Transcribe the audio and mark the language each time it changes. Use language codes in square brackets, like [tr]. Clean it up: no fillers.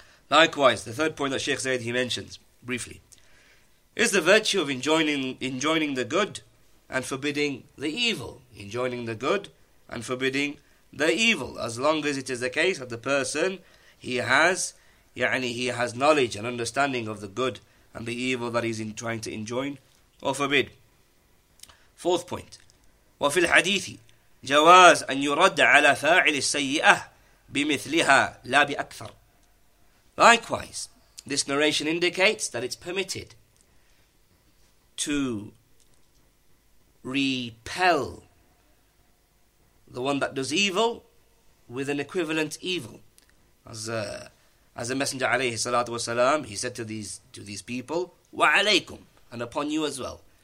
[en] Likewise, the third point that Sheikh Zayed he mentions briefly is the virtue of enjoining the good and forbidding the evil. Enjoining the good and forbidding the evil, as long as it is the case that the person he has knowledge and understanding of the good and the evil that he's trying to enjoin or forbid. Fourth point, [ar] وفي الحديث جواز أن يرد على فاعل السيئة بمثلها لا بأكثر. [en] Likewise, this narration indicates that it's permitted to repel the one that does evil with an equivalent evil. As the Messenger alayhi salatu wasalam, he said to these people, wa alaykum, and upon you as well.